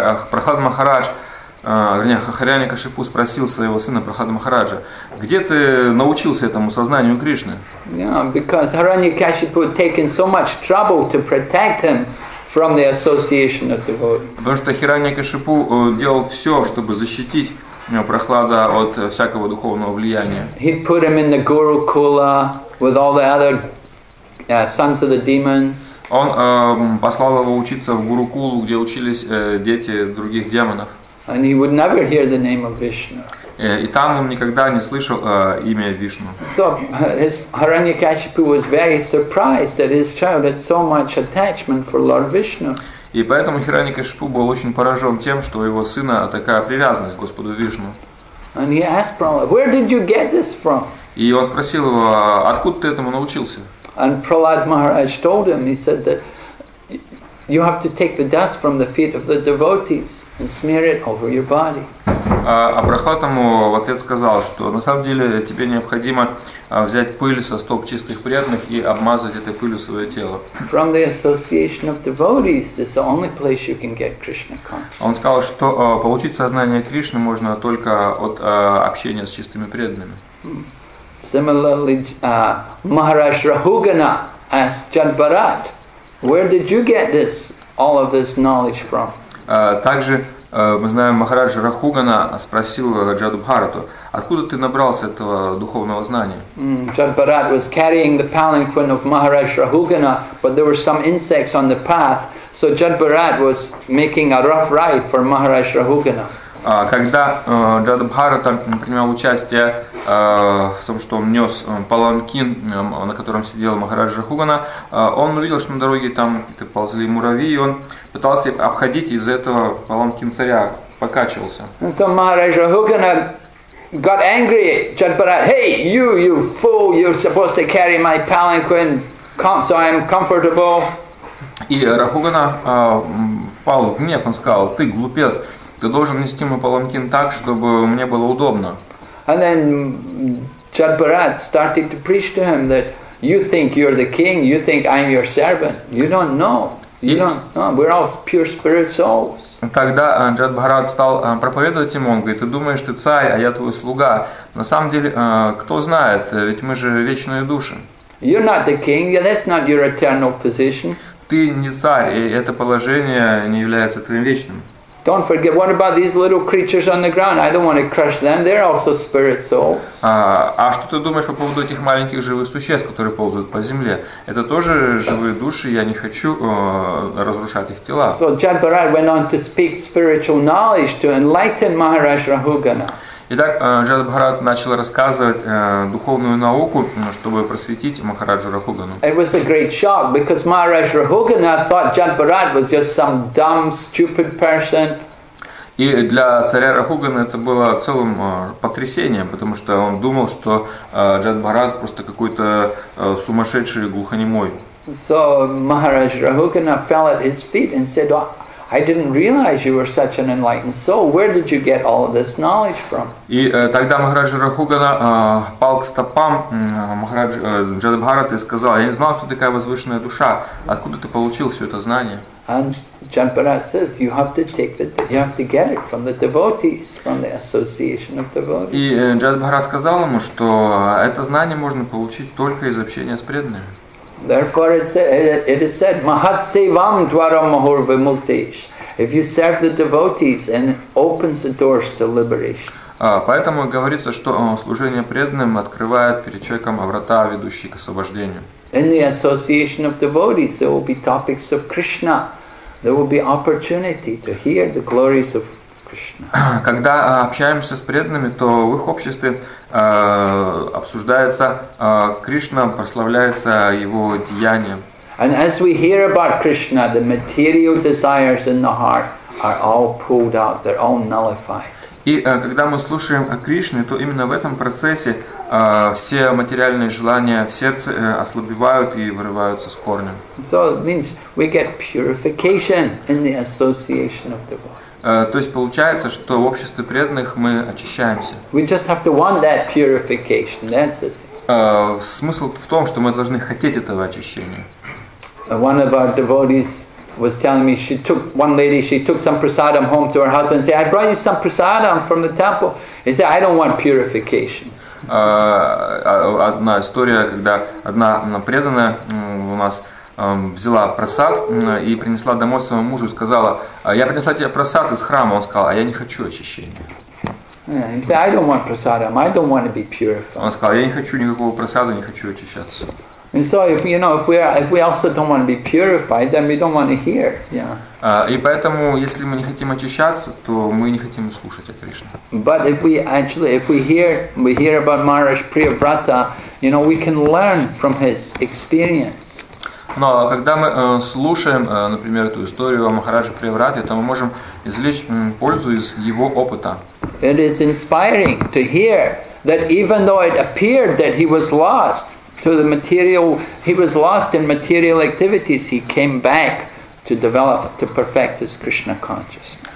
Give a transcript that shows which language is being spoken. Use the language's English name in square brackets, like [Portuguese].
[Russian] Прохлад Махарадж, вернее, Хариани-Кашипу спросил своего сына Прохлада Махараджа, где ты научился этому сознанию Кришны? [English] Because Hiranyakashipu had taken so much trouble to protect him from the association of devotees. [Russian] Потому что Хариани-Кашипу делал все, чтобы защитить Прохлада от всякого духовного влияния. [English] He put him in the Guru Kula with all the other sons of the demons. [Russian] Он послал его учиться в Гуру Кулу, где учились дети других демонов. [English] And he would never hear the name of Vishnu. [Russian] И там он никогда не слышал имя Вишну. [English] So Hiranyakashipu was very surprised that his child had so much attachment for Lord Vishnu. [Russian] И поэтому Хираньякашипу был очень поражен тем, что у его сына такая привязанность к Господу Вишну. [English] And he asked Prahlad, where did you get this from? [Russian] И он спросил его, откуда ты этому научился? [English] And Prahlad Maharaj told him, he said that you have to take the dust from the feet of the devotees and smear it over your body. [Russian] А Прохлад ему в ответ сказал, что на самом деле тебе необходимо взять пыль со стоп чистых преданных и обмазать этой пылью свое тело. [English] From the association of devotees is the only place you can get Krishna consciousness. [Russian] Он сказал, что получить сознание Кришны можно только от общения с чистыми преданными. [English] Similarly, Maharaj Rahugana asked Janbarat, where did you get this, all of this knowledge from? [Russian] Также мы знаем, Махараджа Рахугана спросил Джаду Бхарату, откуда ты набрался этого духовного знания? [English] Джаду Бхарат was carrying the palanquin of Махараджа Рахугана, but there were some insects on the path, so Джаду Бхарат was making a rough ride for Махараджа Рахугана. [Russian] Когда Джаду Бхарата принимал участие в том, что он нес паланкин, на котором сидел Махараджа Рахугана, он увидел, что на дороге там какие-то ползли муравьи, и он пытался обходить, из-за этого паланкин царя покачивался. [English] And so Махараджа Рахугана got angry at Джаду Бхарат. Hey, you fool, you're supposed to carry my palanquin, so I'm comfortable. [Russian] И Рахугана впал в гнев, он сказал, ты глупец. Ты должен нести мой паланкин так, чтобы мне было удобно. [English] And then Jad Bharat started to preach to him that you think you're the king, you think I'm your servant. You don't know. We're all pure spirit souls. [Russian] Тогда Джад Бхарат стал проповедовать ему, он говорит, ты думаешь, ты царь, а я твой слуга. На самом деле, кто знает, ведь мы же вечные души. [English] You're not the king, that's not your eternal position. [Russian] Ты не царь, и это положение не является твоим вечным. [English] Don't forget, what about these little creatures on the ground? I don't want to crush them. They're also spirit souls. [Russian] А что ты думаешь по поводу этих маленьких живых существ, которые ползают по земле? Это тоже живые души, я не хочу разрушать их тела. [English] So Jad Bharat went on to speak spiritual knowledge to enlighten Maharaj Rahugana. [Russian] Итак, Джад Бхарат начал рассказывать духовную науку, чтобы просветить Махараджу Рахугану. [English] It was a great shock, because Maharaj Rahugana thought Jad Bharat was just some dumb, stupid person. [Russian] И для царя Рахугана это было целым потрясением, потому что он думал, что Джад Бхарат просто какой-то сумасшедший глухонемой. [English] So Maharaj Rahugana fell at his feet and said, I didn't realize you were such an enlightened soul. Where did you get all of this knowledge from? [Russian] И тогда Махараджа Рахугана пал к стопам Махараджа Джадабхараты и сказал: "Я не знал, что ты такая возвышенная душа. Откуда ты получил все это знание?" [English] And Jhanpanath says, "You have to take it. You have to get it from the devotees, from the association of devotees." [Russian] И Джадабхарат сказал ему, что это знание можно получить только из общения с преданными. [English] Therefore, it is said, [Sanskrit] "Mahat sevam dwaram mahur vimuktesh." [English] If you serve the devotees, and it opens the doors to liberation. [Russian] Поэтому говорится, что служение преданным открывает перед человеком врата, ведущие к освобождению. [English] In the association of devotees, there will be topics of Krishna. There will be opportunity to hear the glories of Krishna. [Russian] Когда общаемся с преданными, то в их обществе обсуждается Кришна, прославляется его деяния. [English] And as we hear about Krishna, the material desires in the heart are all pulled out, they're all nullified. [Russian] И когда мы слушаем о Кришне, то именно в этом процессе все материальные желания в сердце ослабевают и вырываются с корнем. [English] So it means we get purification in the association of the world. [Russian] То есть получается, что в обществе преданных мы очищаемся. [English] We just have to want that purification. That's it. [Russian] Смысл в том, что мы должны хотеть этого очищения. [English] One of our devotees was telling me, she took one lady, she took some prasadam home to her husband and said, "I brought you some prasadam from the temple." He said, "I don't want purification." [Russian] Одна история, когда одна преданная у нас взяла просад и принесла домой своему мужу и сказала: "Я принесла тебе просад из храма." Он сказал: "А я не хочу очищения." [English] Yeah, he said, "I don't want prasadam. I don't want to be purified." [Russian] Он сказал: "Я не хочу никакого просада, не хочу очищаться." [English] And so, if we also don't want to be purified, then we don't want to hear. [Russian] И поэтому, если мы не хотим очищаться, то мы не хотим слушать о Кришне. [English] But if we hear about Maharaj Priyavrata, you know, we can learn from his experience. [Russian] Но когда мы слушаем, например, эту историю о Махарадже Приаврате, то мы можем извлечь пользу из его опыта. [English] It is inspiring to hear that even though it appeared that he was lost to the material, he was lost in material activities, he came back to develop, to perfect his Krishna consciousness.